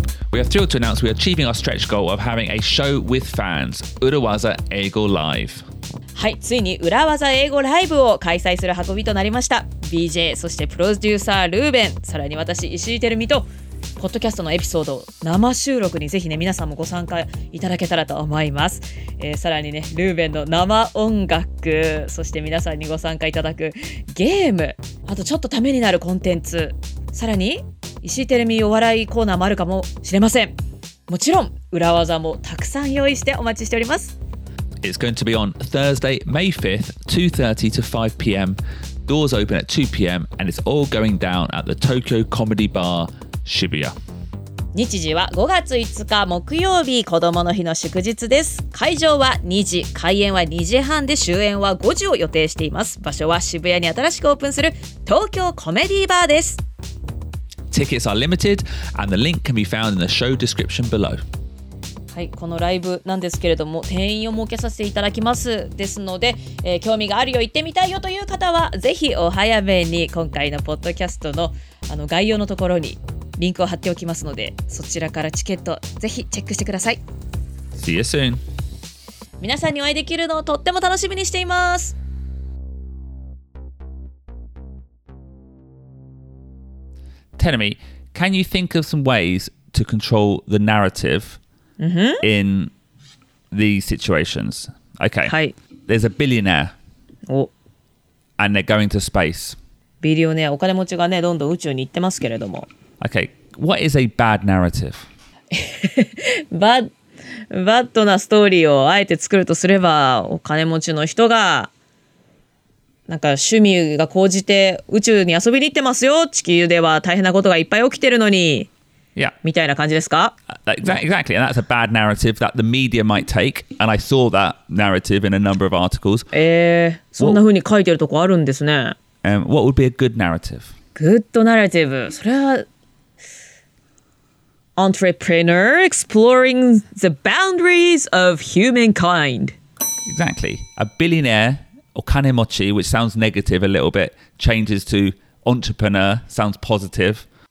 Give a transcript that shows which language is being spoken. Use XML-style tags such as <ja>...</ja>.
<en>We are thrilled to announce we are achieving our stretch goal of having a show with fans, Urawaza Eigo Live.</en> <ja>はい、ついに Urawaza Eigo Live を開催する運びとなりました。 BJ、そしてプロデューサールーベン、さらに私、石井テルミとポッドキャストのエピソード生収録にぜひね皆さんもご参加いただけたらと思います。さらにねルーベンの生音楽、そして皆さんにご参加いただくゲーム、あとちょっとためになるコンテンツ、さらに石井テレミお笑いコーナーもあるかもしれません。もちろん裏技もたくさん用意してお待ちしております。</ja> <en>It's going to be on Thursday, May 5th, 2:30 to 5 PM. Doors open at 2 PM and it's all going down at the Tokyo Comedy Bar. Shibuya.</en> <ja>日時は5月5日木曜日、子供の日の祝日です。会場は2時、開演は2時半で終演は5時を予定しています。場所は渋谷に新しくオープンする東京コメディーバーです。</ja> <en>Tickets are limited and the link can be found in the show description below.</en> <ja>はい、このライブなんですけれども、定員を設けさせていただきます。ですので、興味があるよ、行ってみたいよという方はぜひお早めに今回のポッドキャスト の概要のところにリンクを貼っておきますので、そちらからチケットぜひチェックしてください。</ja> <en>See you soon.</en> <ja>皆さんにお会いできるのをとっても楽しみにしています。</ja> <en>Tell me, can you think of some ways to control the narrative in these situations? Okay.</en> <ja>はい。</ja> <en>There's a billionaire. お。 And they're going to space.</en> <ja>ビリオネア、お金持ちがね、どんどん宇宙に行ってますけれども、</ja> <en>Okay, what is a bad narrative?</en> <ja>Bad なストーリーをあえて作るとすれば、お金持ちの人がなんか趣味が高じて宇宙に遊びに行ってますよ。地球では大変なことがいっぱい起きてるのに。</ja> <en>Yeah.</en> <ja>みたいな感じですか?</ja> <en>Exactly. And that's a bad narrative that the media might take. And I saw that narrative in a number of articles.</en> <ja>そんな風に書いてるとこあるんですね。</ja> <en>What would be a good narrative? Good narrative.</en> <ja>それは</ja> <en>Entrepreneur exploring the boundaries of humankind. Exactly. A billionaire or kanemochi, which sounds negative a little bit, changes to entrepreneur, sounds positive.</en>